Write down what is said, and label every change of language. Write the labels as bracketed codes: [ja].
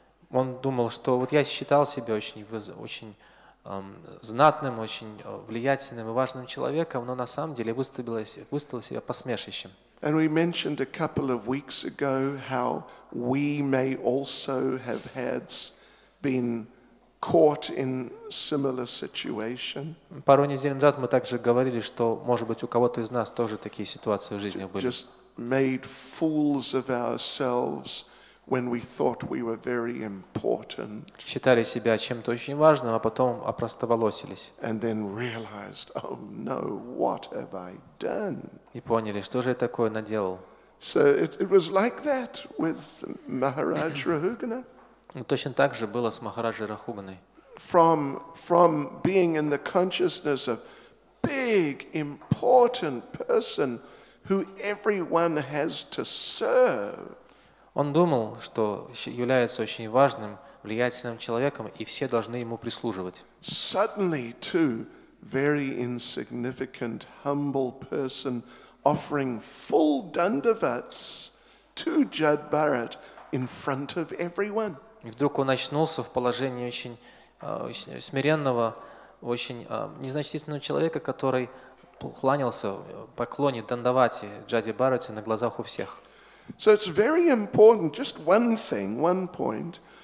[ru] Он думал, что вот я считал себя очень знатным, очень влиятельным и важным человеком, но на самом деле выставил себя посмешищем. [en] And we mentioned a couple of weeks ago how we may also have had been caught in similar situation. [ru] Пару недель назад мы также говорили, что, может быть, у кого-то из нас тоже такие ситуации в жизни были. [en] Just made fools of ourselves when we thought we were very important. [ru] Считали себя чем-то очень важным, а потом опростоволосились. [en] And then realized, oh no, what have I done? [ru] И поняли, что же я такое наделал. [en] So it was like that with Maharaj Rahugana. [ru] Точно так же было с Махараджей Рахуганой. [en] From being in the consciousness of big, important person who everyone has to serve. [ru] Он думал, что является очень важным, влиятельным человеком, и все должны ему прислуживать. [en] Suddenly to very insignificant, humble person offering full dandavats to Judd Barrett in front of everyone. [ru] И вдруг он очнулся в положении очень смиренного, очень незначительного человека, который кланялся поклоне дандавати Джадди Барати на глазах у всех. [en] So it's very important, just one thing, one point.